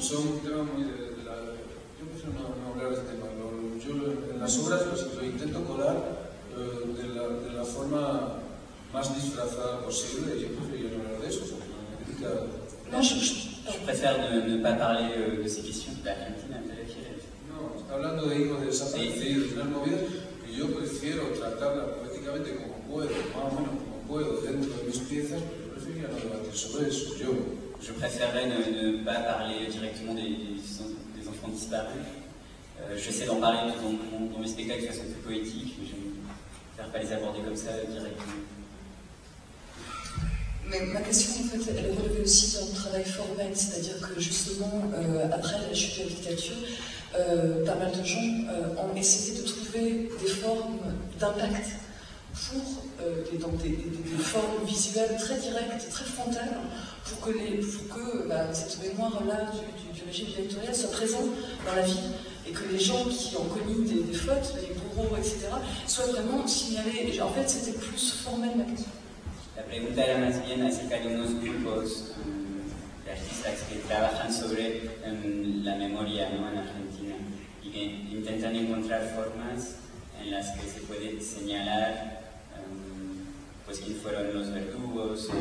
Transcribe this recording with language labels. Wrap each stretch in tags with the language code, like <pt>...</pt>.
<fr>Son thème est vraiment de la... Je préfère ne pas parler de ce thème. Je, la sobra, je l'intente de coller de la forme plus disfrazada possible. Je préfère ne pas parler de ça. Non, je préfère ne pas parler de ces questions d'Argentine.</fr> <es>Hablando de hijos de desaparecidos y de las movidas, yo prefiero tratarla políticamente como puedo, más o menos como puedo, dentro de mis piezas, pero prefiero no debatir sobre eso. Yo.</es> <fr>Je préférerais ne pas parler directement des enfants disparus. J'essaie d'en parler dans mes spectacles de façon plus poétique, mais je ne préfère pas les aborder comme ça directement. Mais ma question, en fait, elle est relevée aussi d'un travail formel, c'est-à-dire que justement, après la chute de la dictature, pas mal de gens ont essayé de trouver des formes d'impact pour des formes visuelles très directes, très frontales, pour que cette mémoire-là du régime dictatorial soit présente dans la vie et que les gens qui ont commis des fautes, des bourreaux, etc., soient vraiment signalés. Et en fait, c'était plus formel ma question.</fr> <es>La pregunta era más bien acerca de unos grupos de artistas que trabajan sobre la memoria, ¿no?, en Argentina y que intentan encontrar formas en las que se puede señalar pues quién fueron los verdugos.</es>